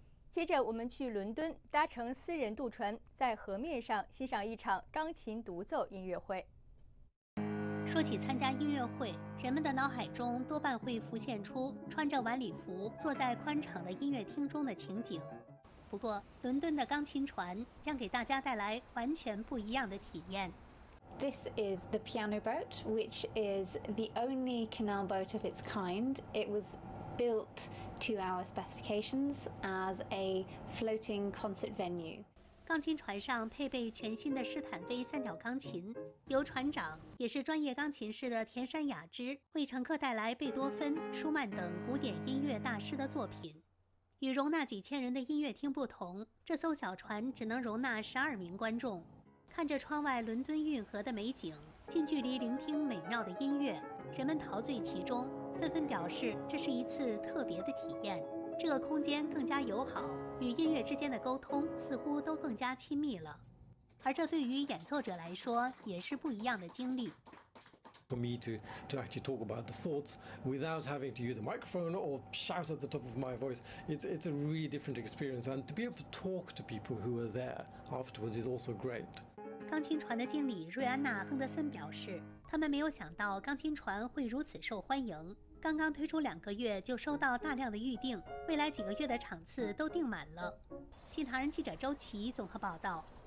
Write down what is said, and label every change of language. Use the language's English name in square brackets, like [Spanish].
[Chinese] 接着我们去伦敦，搭乘私人渡船，在河面上欣赏一场钢琴独奏音乐会。说起参加音乐会，人们的脑海中多半会浮现出穿着晚礼服坐在宽敞的音乐厅中的情景。不过伦敦的钢琴船将给大家带来完全不一样的体验。 [English] This is the piano boat, which is the only canal boat of its kind. It was built to our specifications as a floating concert venue. [Chinese] 钢琴船上配备全新的施坦菲三角钢琴，由船长也是专业钢琴师的田山雅之为乘客带来贝多芬、舒曼等古典音乐大师的作品。与容纳几千人的音乐厅不同，这艘小船只能容纳12名观众。看着窗外伦敦运河的美景，近距离聆听美妙的音乐，人们陶醉其中，纷纷表示这是一次特别的体验。这个空间更加友好，与音乐之间的沟通似乎都更加亲密了。而这对于演奏者来说也是不一样的经历。 [English] For me to actually talk about the thoughts without having to use a microphone or shout at the top of my voice, it's a really different experience. And to be able to talk to people who are there afterwards is also great. [Chinese] 钢琴船的经理瑞安娜·亨德森表示，他们没有想到钢琴船会如此受欢迎。刚刚推出两个月就收到大量的预订，未来几个月的场次都订满了。新唐人记者周琦综合报道。